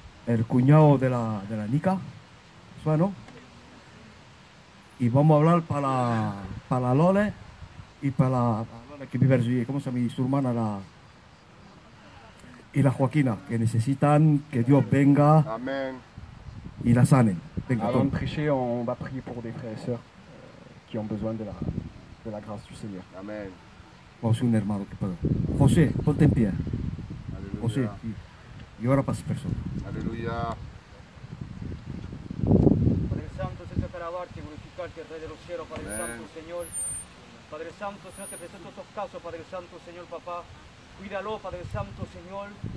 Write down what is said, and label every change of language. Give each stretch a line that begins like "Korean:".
Spanish: El cuñado de la Nica, ¿sueno? Y vamos a hablar para la Lole y para la Lole que vive allí, ¿cómo se llama? Y su hermana y la Joaquina, que necesitan que Dios venga. Amén. Y la sanen.
French: Avant de prêcher, on va prier pour des frères et sœurs qui ont besoin de la grâce du Seigneur. Amen.
Spanish: Vamos un hermano que puede. José, ponte en pie. Aleluya. José, y ahora para esa persona. Aleluya. Padre Santo, se te alabarte y glorificarte, Rey de los cielos, Padre Santo, Señor. Padre Santo, Señor, te presento estos casos, Padre Santo, Señor, papá. Cuídalo, Padre Santo, Señor.